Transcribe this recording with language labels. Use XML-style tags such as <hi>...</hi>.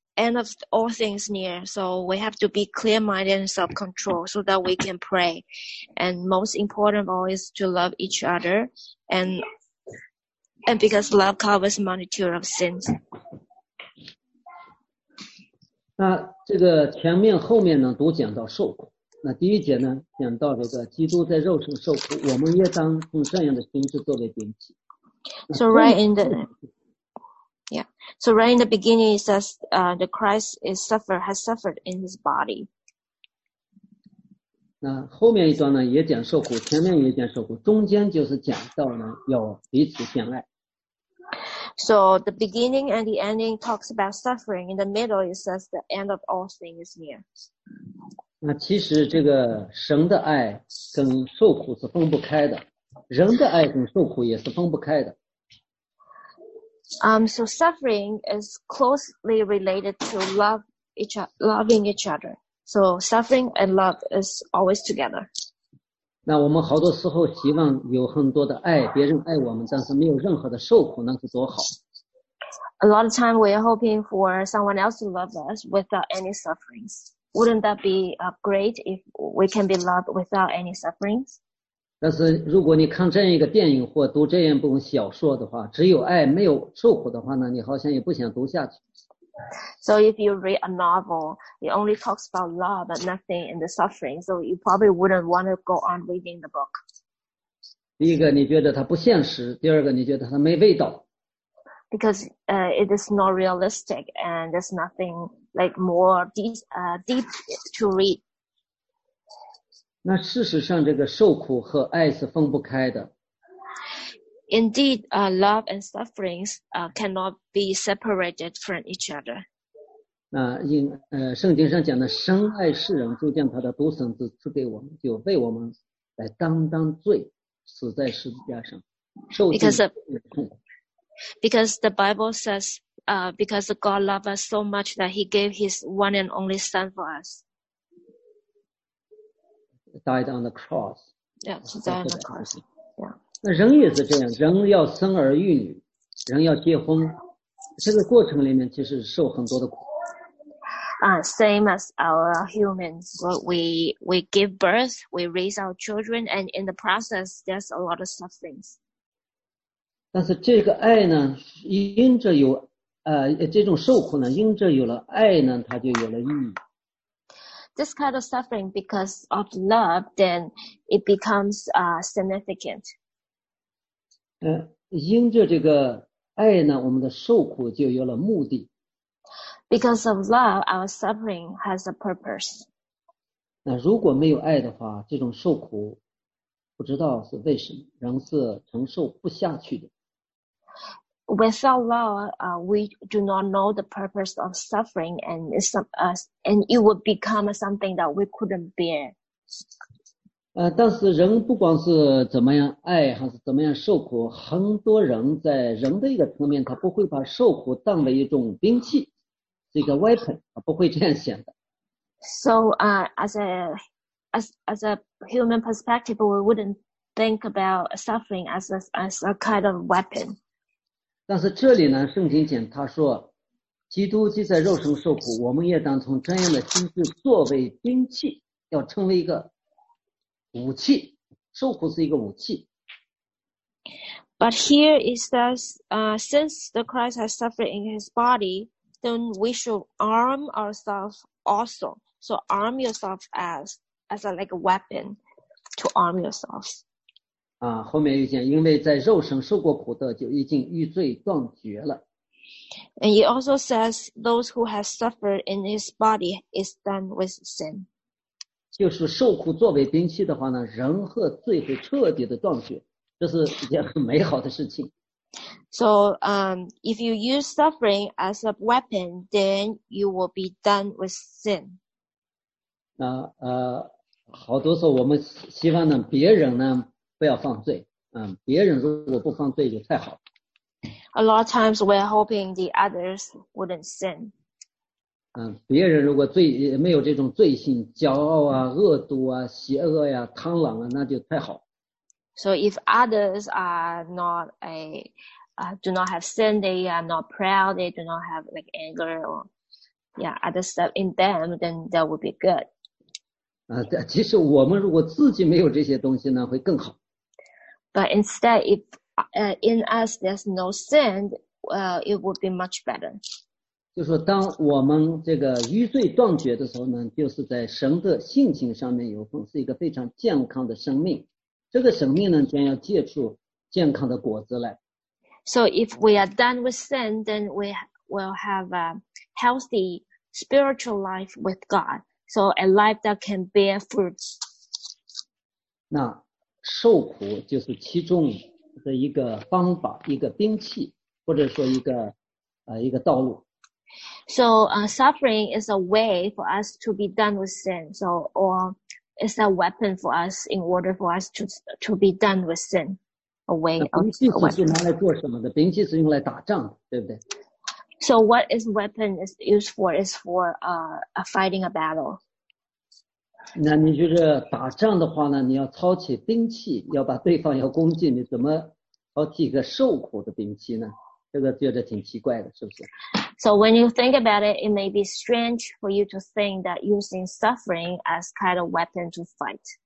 <en>End of all things near, so we have to be clear-minded and self-control so that we can pray. And most important of all is to love each other, and because love covers multitude of sins.</en> <zh>那这个前面后面呢，都讲到受苦。那第一节呢，讲到这个基督在肉身受苦，我们也当用这样的心智作为兵器。</zh> <en>So right in the Yeah. So right in the beginning it says the Christ has suffered in his body.</en> <zh>那后面一段呢也讲受苦，前面也讲受苦，中间就是讲到呢要彼此相爱。</zh> <en>So the beginning and the ending talks about suffering. In the middle it says the end of all things is near.</en> <zh>那其实这个神的爱跟受苦是分不开的。人的爱跟受苦也是分不开的。</zh> <en>So suffering is closely related to loving each other. So suffering and love is always together.</en> <zh>那我们好多时候希望有很多的爱，别人爱我们，但是没有任何的受苦，那是多好。</zh> <en>A lot of time we're hoping for someone else to love us without any sufferings. Wouldn't that be great if we can be loved without any sufferings?</en> <zh>但是如果你看这样一个电影或读这样一本小说的话，只有爱没有受苦的话呢，你好像也不想读下去。</zh> <en>So if you read a novel, it only talks about love but nothing and the suffering, so you probably wouldn't want to go on reading the book.</en> <zh>第一个你觉得它不现实，第二个你觉得它没味道。</zh> <en>Because it is not realistic and there's nothing like more deep to read.</en> <zh>那事实上这个受苦和爱是分不开的。</zh> <en>Indeed, love and sufferings cannot be separated from each other.</en> <zh>那因圣经上讲的深爱世人，就将他的独生子赐给我们，就为我们来担当罪，死在十字架上，受尽痛苦。</zh> <en>Because the Bible says, because God loved us so much that He gave His one and only Son for us. Died on the cross. Yeah, died on the cross. Yeah.</en> <zh>那人也是这样，人要生儿育女，人要结婚，这个过程里面其实受很多的苦。</zh> <en>Same as our humans, we give birth, we raise our children, and in the process, there's a lot of sufferings.</en> <zh>但是这个爱呢，因着有这种受苦呢，因着有了爱呢，它就有了意义。</zh> <en>This kind of suffering because of love, then it becomes significant.</en> <zh>因着这个爱呢，我们的受苦就有了目的。</zh> <en>Because of love, our suffering has a purpose.</en> <zh>那如果没有爱的话，这种受苦不知道是为什么，仍是承受不下去的。</zh> <en>Without love, we do not know the purpose of suffering, and it would become something that we couldn't bear.</en> <zh>但是人不光是怎么样爱，还是怎么样受苦，很多人在人的一个层面，他不会把受苦当为一种兵器，这个 weapon， 他不会这样想的。</zh> <en>So, as a human perspective, we wouldn't think about suffering as a kind of weapon.</en> <zh>但是这里呢，圣经讲他说，基督既在肉身受苦，我们也当从这样的心智作为兵器，要成为一个武器。受苦是一个武器。</zh> <en>But here it says, since the Christ has suffered in His body, then we should arm ourselves also. So arm yourself as a like a weapon to arm yourself.</en> <zh>后面又讲，因为在肉身受过苦的，就已经与罪断绝了。</zh> <en>And he also says, those who have suffered in his body is done with sin.</en> <zh>就是受苦作为兵器的话呢，人和罪会彻底的断绝，这是一件很美好的事情。</zh> <en>So, if you use suffering as a weapon, then you will be done with sin.</en> <zh>那好多时候我们希望呢，别人呢。不要犯罪，别人如果不犯罪就太好</zh> <en>了。A lot of times we're hoping the others wouldn't sin.</en> <zh>别人如果罪没有这种罪性，骄傲啊、恶毒啊、邪恶呀、贪婪啊，那就太好。</zh> <en>So if others are not do not have sin, they are not proud, they do not have like anger or other stuff in them, then that would be good.</en> <zh>其实我们如果自己没有这些东西呢，会更好。</zh> <en>But instead, if in us there's no sin, it would be much better.</en> <zh>就是当我们这个与罪断绝的时候呢，就是在神的性情上面有份，是一个非常健康的生命。这个生命呢，将要结出健康的果子来。</zh> <en>So if we are done with sin, then we will have a healthy spiritual life with God. So a life that can bear fruits.</en> <zh>那受苦就是其中的一个方法，一个兵器，或者说一个道路。</zh> <en>So, suffering is a way for us to be done with sin. So, or it's a weapon for us in order for us to be done with sin. a way of weapon.</en> <zh>兵器是用来做什么的？兵器是用来打仗的，对不对？</zh> <en>So what is weapon is used for? Is for a fighting a battle.</en> <zh>那你就是打仗的话呢，你要操起兵器，要把对方要攻击，你怎么操起一个受苦的兵器呢？这个觉得挺奇怪的，是不是？</zh> <en>So when you think about it, it may be strange for you to think that using suffering as kind of weapon to fight.</en>